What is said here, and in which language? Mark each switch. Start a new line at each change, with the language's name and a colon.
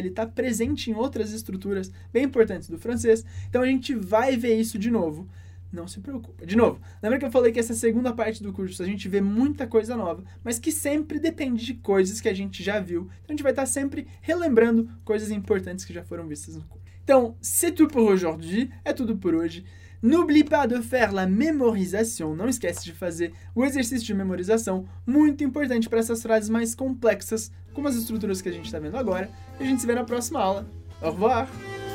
Portuguese: Ele tá presente em outras estruturas bem importantes do francês, então a gente vai ver isso de novo. Não se preocupa. De novo, lembra que eu falei que essa segunda parte do curso a gente vê muita coisa nova, mas que sempre depende de coisas que a gente já viu. Então a gente vai estar sempre relembrando coisas importantes que já foram vistas no curso. Então,
French: c'est tout pour aujourd'hui.
Portuguese: É tudo por hoje.
French: N'oublie pas de faire la mémorisation.
Portuguese: Não esquece de fazer o exercício de memorização. Muito importante para essas frases mais complexas, como as estruturas que a gente está vendo agora. E a gente se vê na próxima aula.
French: Au revoir!